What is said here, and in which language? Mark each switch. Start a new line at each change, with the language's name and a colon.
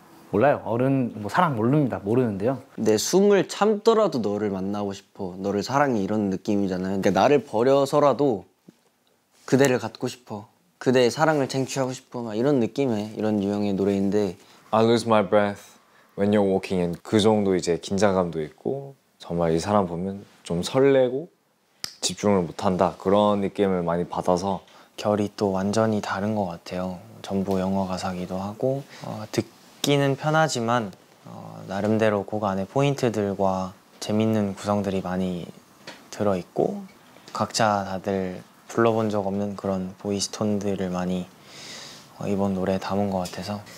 Korean: 몰라요. 어른 뭐 사랑 모릅니다. 모르는데요. 내 숨을 참더라도 너를 만나고 싶어. 너를 사랑해 이런 느낌이잖아요. 그러니까 나를 버려서라도 그대를 갖고 싶어. 그대의 사랑을 쟁취하고 싶어. 막 이런 느낌의 이런 유형의 노래인데
English: I lose my breath when you're walking in.
Korean: 그 정도 이제 긴장감도 있고 정말 이 사람 보면 좀 설레고 집중을 못한다. 그런 느낌을 많이 받아서 결이 또 완전히 다른 것 같아요. 전부 영어 가사기도 하고 듣기는 편하지만 나름대로 곡 안에 포인트들과 재밌는 구성들이 많이 들어있고 각자 다들 불러본 적 없는 그런 보이스톤들을 많이 이번 노래에 담은 것 같아서